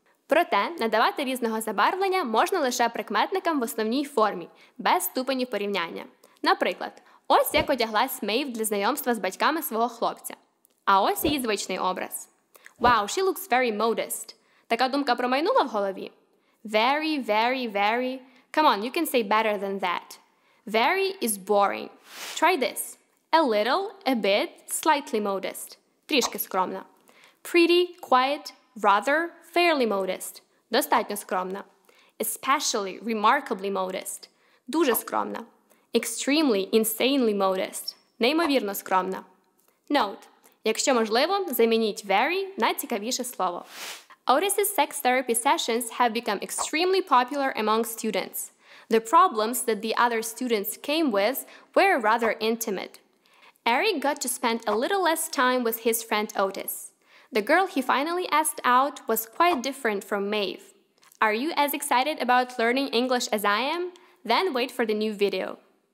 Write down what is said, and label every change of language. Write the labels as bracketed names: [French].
[Ukrainian] Проте надавати різного забарвлення можна лише прикметникам в основній формі, без ступені порівняння. Наприклад, ось як одяглась Мейв для знайомства з батьками свого хлопця. А ось її звичний образ. [English] Wow, she looks very modest. [Ukrainian] Така думка промайнула в голові? [English] Very, very, very. Come on, you can say better than that. Very is boring. Try this. A little, a bit, slightly modest. [Ukrainian] Трішки скромна. [English] Pretty, quiet, rather, fairly modest. [Ukrainian] Достатньо скромна. [English] Especially, remarkably modest. [Ukrainian] Дуже скромна. [English] Extremely, insanely modest. [Ukrainian] Неймовірно скромна. [English] Note. [Ukrainian] Якщо можливо, замініть very на цікавіше слово. [English] Otis's sex therapy sessions have become extremely popular among students. The problems that the other students came with were rather intimate. Eric got to spend a little less time with his friend Otis. The girl he finally asked out was quite different from Maeve. Are you as excited about learning English as I am? Then wait for the new video.